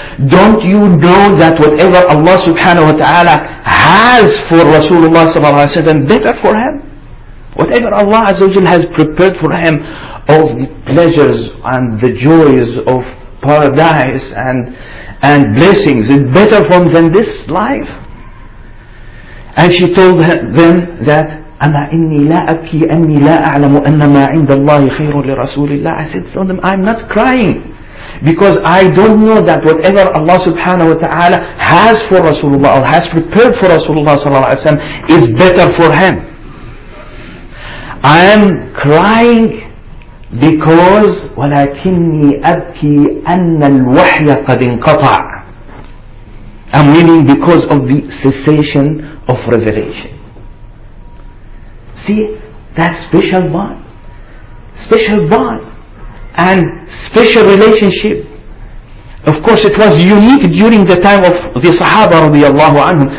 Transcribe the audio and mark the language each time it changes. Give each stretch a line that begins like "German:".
English: Don't you know that whatever Allah subhanahu wa ta'ala has for Rasulullah sallallahu alayhi wa sallam better for him? Whatever Allah Azza wa Jalla has prepared for him of the pleasures and the joys of paradise and blessings is better for him than this life. And she told them that
Arabic: أَمَا إِنِّي لَا أَبْكِي أَنِّي لَا أَعْلَمُ أَنَّ مَا عِنْدَ اللَّهِ خَيْرٌ لِرَسُولِ اللَّهِ.
English: I said to them, I'm not crying because I don't know that whatever Allah subhanahu wa ta'ala has for Rasulullah or has prepared for Rasulullah sallallahu alayhi wa sallam is better for him. I am crying because
Arabic: وَلَكِنِّي أَبْكِي أَنَّ الْوَحْيَ قَدْ انْقَطَعَ.
English: I'm meaning because of the cessation of revelation. See, that special bond. Special bond. And special relationship. Of course, it was unique during the time of the Sahaba radiallahu anhum.